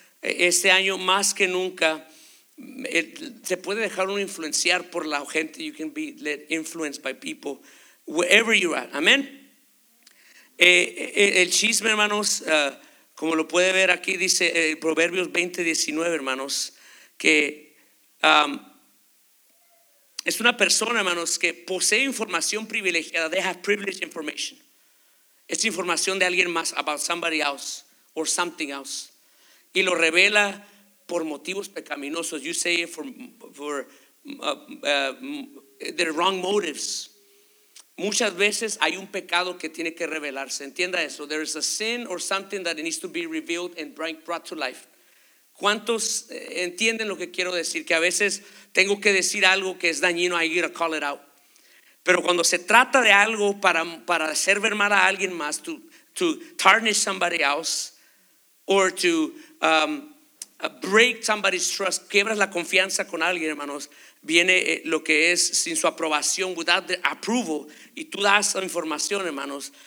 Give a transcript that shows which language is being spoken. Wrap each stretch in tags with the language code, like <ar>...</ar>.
<es>Este año más que nunca se puede dejar uno influenciar por la gente.</es> <en>You can be led, influenced by people wherever you are.</en> <es>Amén. El chisme, hermanos, como lo puede ver aquí, dice Proverbios 20:19, hermanos, que es una persona, hermanos, que posee información privilegiada.</es> <en>They have privileged information.</en> <es>Es información de alguien más,</es> <en>about somebody else or something else.</en> <es>Y lo revela por motivos pecaminosos.</es> <en>You say it for their wrong motives.</en> <es>Muchas veces hay un pecado que tiene que revelarse. Entienda eso.</es> <en>There is a sin or something that needs to be revealed and brought to life.</en> <es>¿Cuántos entienden lo que quiero decir? Que a veces tengo que decir algo que es dañino,</es> <en>I gotta call it out.</en> <es>Pero cuando se trata de algo para hacer ver mal a alguien más,</es> <en>to tarnish somebody else, or to break somebody's trust,</en> <es>quiebras la confianza con alguien, hermanos, viene lo que es sin su aprobación,</es> <en>without the approval,</en> <es>y tú das la información, hermanos.</es>